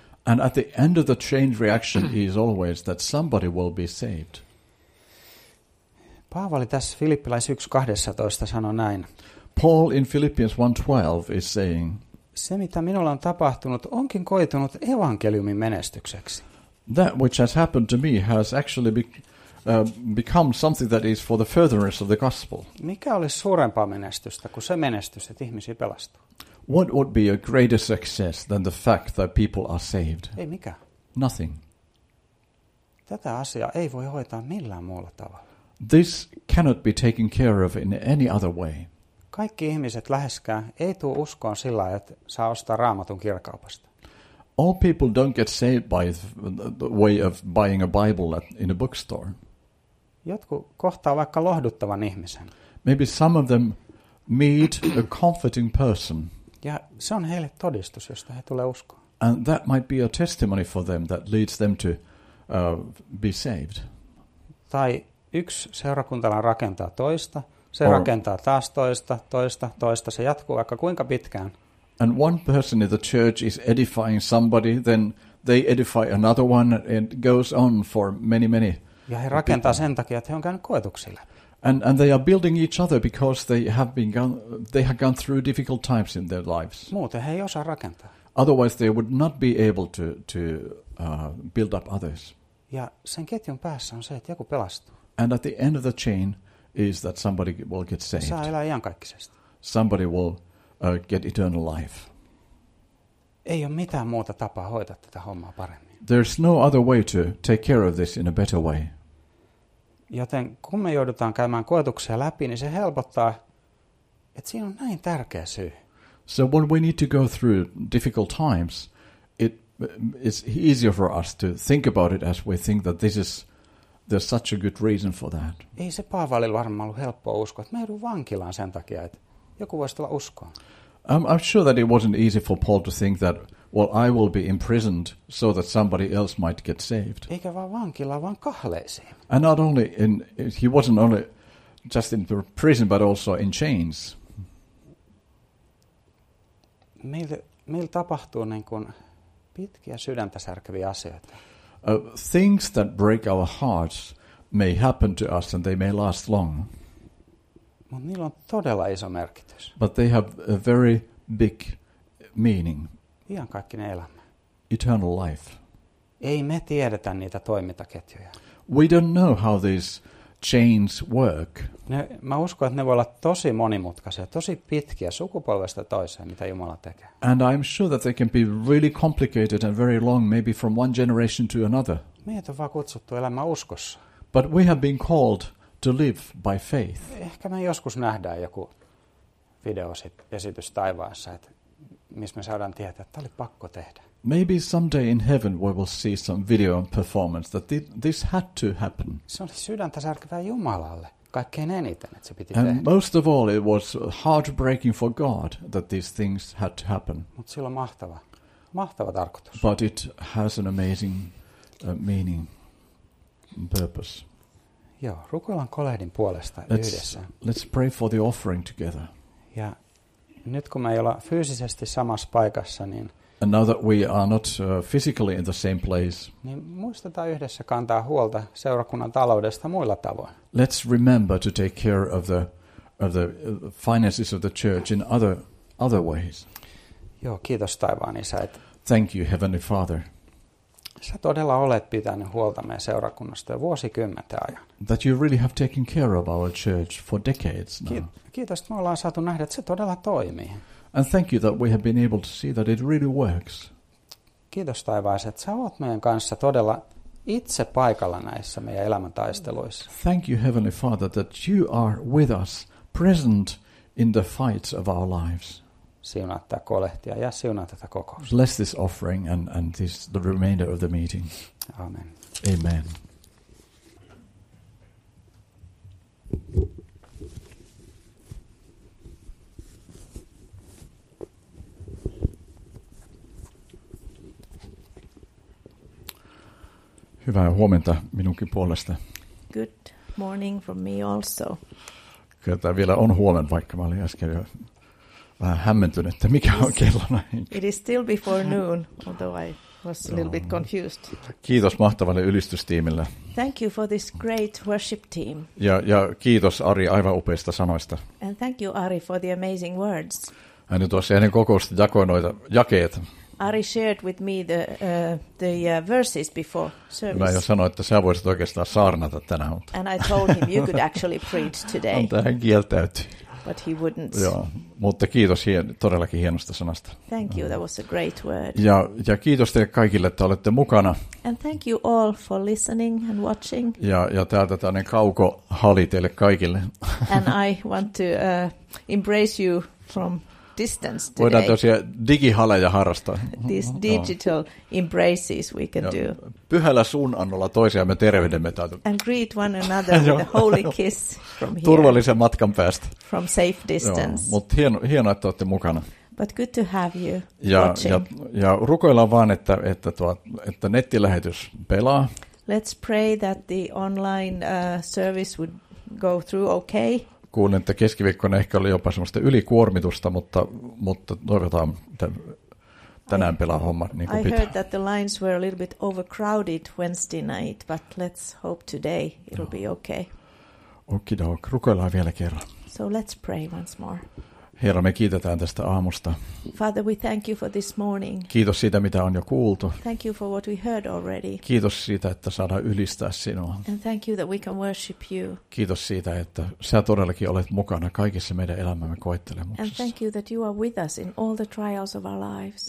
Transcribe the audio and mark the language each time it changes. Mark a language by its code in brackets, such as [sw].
[en] And at the end of the chain reaction is always that somebody will be saved. [fi] Paavali tässä Filippiläis 1:12 sanoi näin. [en] Paul in Philippians 1:12 is saying, [fi] se mitä minulla on tapahtunut onkin koitunut evankeliumin menestykseksi. [en] That which has happened to me has actually become something that is for the furtherance of the gospel. [fi] Mikä olisi suurempaa menestystä kuin se menestys, että ihmisiä pelastuu? [en] What would be a greater success than the fact that people are saved? [fi] Ei mikään. [en] Nothing. [fi] Tätä asiaa ei voi hoitaa millään muulla tavalla. [en] This cannot be taken care of in any other way. [fi] Kaikki ihmiset läheskään ei tuu uskoon sillä lailla, että saa ostaa Raamatun kirjakaupasta. [en] All people don't get saved by the way of buying a Bible in a bookstore. [fi] Jotkut kohtaa vaikka lohduttavan ihmisen. [en] Maybe some of them meet a comforting person. [fi] Ja se on heille todistus, josta he tulee uskoon. [en] And that might be a testimony for them that leads them to be saved. [fi] Tai yksi seurakuntalainen rakentaa toista. Se rakentaa taas toista, se jatkuu vaikka kuinka pitkään. [en] And one person in the church is edifying somebody, then they edify another one and goes on for many, many. [fi] Ja he rakentaa sen takia, että he on käynyt koetuksilla. [en] And they are building each other because they have gone through difficult times in their lives. [fi] Muuten he ei osaa rakentaa. [en] Otherwise they would not be able to build up others. [fi] Ja sen ketjun päässä on se, että joku pelastuu. [en] And at the end of the chain is that somebody will get saved. [fi] Saa elää iankaikkisesti. [en] Somebody will get eternal life. [fi] Ei ole mitään muuta tapaa hoitaa tätä hommaa paremmin. [en] There's no other way to take care of this in a better way. [fi] Joten kun me joudutaan käymään koetuksia läpi, niin se helpottaa, että siinä on näin tärkeä syy. [en] So when we need to go through difficult times, it's easier for us to think about it as we think that this is there's such a good reason for that. [fi] Ei se Paavalilla varmaan ollut helppoa uskoa, että mä joudun vankilaan sen takia, että joku voisi tulla uskoon. [en] I'm sure that it wasn't easy for Paul to think that, well, I will be imprisoned so that somebody else might get saved. [fi] Eikä vaan vankilaan, vaan kahleisiin. [en] And not only in, he wasn't only just in prison, but also in chains. [fi] Meillä tapahtuu niin kuin pitkiä sydäntä särkeviä asioita. [en] Things that break our hearts may happen to us and they may last long. [fi] Mut niillä on todella iso merkitys. [en] But they have a very big meaning. [fi] Iankaikkinen elämä. [en] Eternal life. [fi] Ei me tiedetä niitä toimintaketjuja. [en] We don't know how these chains work. [fi] Mä uskon, että ne voi olla tosi monimutkaisia, tosi pitkiä sukupolvesta toiseen, mitä Jumala tekee. [en] And I'm sure that they can be really complicated and very long, maybe from one generation to another. [fi] Meitä on vaan kutsuttu elämään uskossa. [en] But we have been called to live by faith. [fi] Ehkä me joskus nähdään joku videoesitys taivaassa, että missä me saadaan tietää, että tämä oli pakko tehdä. [en] Maybe someday in heaven we will see some video performance that this had to happen. [fi] Se oli sydäntä särkevää Jumalalle, kaikkein eniten, että se piti tehdä. [en] And most of all it was heartbreaking for God that these things had to happen. [fi] Mutta sillä on mahtava, mahtava tarkoitus. [en] But it has an amazing meaning and purpose. [fi] Joo, rukoillaan kolehdin puolesta yhdessä. [en] Let's pray for the offering together. [fi] Ja nyt kun me ei olla fyysisesti samassa paikassa, niin [en] and now that we are not physically in the same place, [fi] niin muistetaan yhdessä kantaa huolta seurakunnan taloudesta muilla tavoin. [en] Let's remember to take care of the finances of the church in other ways. [fi] Joo, kiitos taivaan isä. [en] Thank you, Heavenly Father. [fi] Sä todella olet pitänyt huolta meidän seurakunnasta jo vuosikymmenten ajan. [en] That you really have taken care of our church for decades now. [fi] Kiitos, että me ollaan saatu nähdä, että se todella toimii. [en] And thank you that we have been able to see that it really works. [fi] Kiitos taivaaseen, että sä oot meidän kanssa todella itse paikalla näissä meidän elämäntaisteluissa. [en] Thank you, Heavenly Father, that you are with us, present in the fights of our lives. [fi] Siunaa tätä kolehtia ja siunaa tätä kokousta. [en] Bless this offering and this the remainder of the meeting. [fi] Amen. [en] Amen. [fi] Hyvää huomenta minunkin puolesta. [en] Good morning from me also. [fi] Kyllä tämä vielä on huomen, vaikka mä olin äsken jo vähän hämmentynyt, että mikä on kellonaika. [en] It is still before noon, although I was a little bit confused. [fi] Kiitos mahtavalle ylistystiimille. [en] Thank you for this great worship team. [fi] Ja kiitos Ari aivan upeista sanoista. [en] And thank you Ari for the amazing words. [fi] Hän tuossa ennen kokousta jakoi noita jakeet. [en] Ari shared with me the verses before service. [fi] Mä jo sanoin, että sä voisit oikeastaan saarnata tänään. Mutta [en] and I told him you could actually preach today. [fi] Mutta hän kieltäytyi. [en] But he wouldn't. [fi] Joo, mutta kiitos todellakin hienosta sanasta. [en] Thank you, that was a great word. [fi] Ja kiitos teille kaikille, että olette mukana. [en] And thank you all for listening and watching. [fi] Ja täältä tämmöinen kaukohali teille kaikille. [en] And I want to embrace you from distance today. [fi] Voidaan tosiaan digihaleja harrastaa. [en] These digital embraces we can do. [fi] Pyhällä suunnannolla toisiaan me tervehdemme täältä. [en] And greet one another with a holy kiss from here. [fi] Turvallisen matkan päästä. [en] From safe distance. [fi] Mutta hieno, että olette mukana. [en] But good to have you watching. [fi] Ja rukoillaan vaan, että nettilähetys pelaa. [en] Let's pray that the online service would go through okay. [fi] Kuulin, että keskiviikkona ehkä oli jopa semmoista ylikuormitusta, mutta toivotaan, että tänään pelaa homma niin kuin [en] I [fi] pitää. [en] I heard that the lines were a little bit overcrowded Wednesday night, but let's hope today it'll be okay. [fi] Okidok, rukoillaan vielä kerran. [en] So let's pray once more. [fi] Herra, me kiitetään tästä aamusta. [en] Father, we thank you for this morning. [fi] Kiitos siitä, mitä on jo kuultu. [en] Thank you for what we heard already. [fi] Kiitos siitä, että saadaan ylistää sinua. [en] And thank you that we can worship you. [fi] Kiitos siitä, että sä todellakin olet mukana kaikissa meidän elämämme koettelemuksissa. [en] And thank you that you are with us in all the trials of our lives.